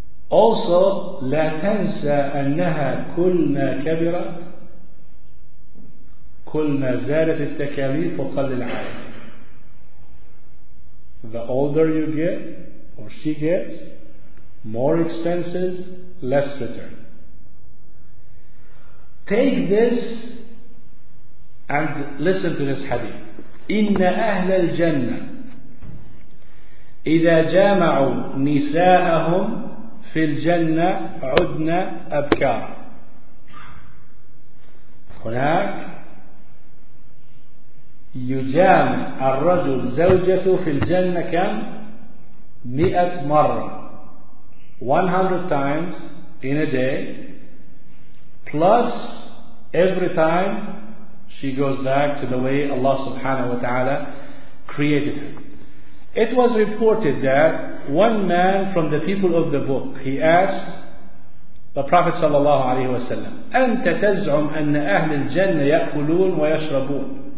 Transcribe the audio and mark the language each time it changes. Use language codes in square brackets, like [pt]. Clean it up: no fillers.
[en] Also, [ar] لا تنسى أنها كلما كبرت كلما زادت التكاليف وقل العائد. [en] The older you get, or she gets, more expenses, less return. Take this and listen to this hadith. [ar] إِنَّ أَهْلَ الْجَنَّةِ إِذَا جَامَعُوا نِسَاءَهُمْ فِي الْجَنَّةِ عُدْنَا أَبْكَارًا. هناك يجامع الرجل زوجته في الجنة كم؟ [en] 100 times. 100 times in a day. Plus every time she goes back to the way Allah subhanahu wa ta'ala created her. It was reported that one man from the people of the book, he asked the Prophet sallallahu alayhi wa sallam, [ar] أَنْتَ تَزْعُمْ أَنَّ أَهْلِ الْجَنَّةِ يَأْكُلُونَ وَيَشْرَبُونَ.